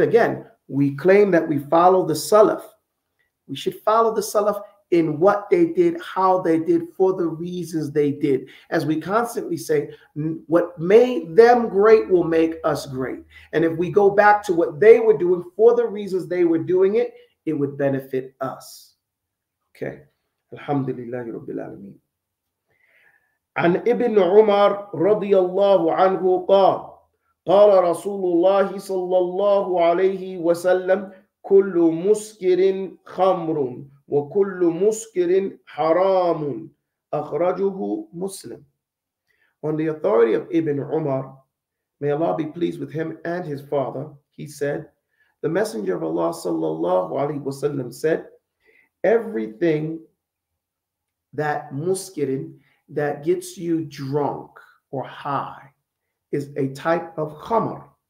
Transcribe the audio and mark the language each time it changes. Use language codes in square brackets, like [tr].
[en] Again, we claim that we follow the Salaf. We should follow the Salaf in what they did, how they did, for the reasons they did. As we constantly say, what made them great will make us great. And if we go back to what they were doing for the reasons they were doing it, it would benefit us. [ar] Okay. Alhamdulillah Rabbil Alameen. عن ابن عمر رضي الله عنه قال قال رسول الله صلى الله عليه وسلم كل مسكر خمر وكل مسكر حرام أخرجه مسلم. [en] On the authority of Ibn Umar, may Allah be pleased with him and his father, he said, the Messenger of Allah صلى الله عليه وسلم said, everything that muskirin, that gets you drunk or high, is a type of khamar.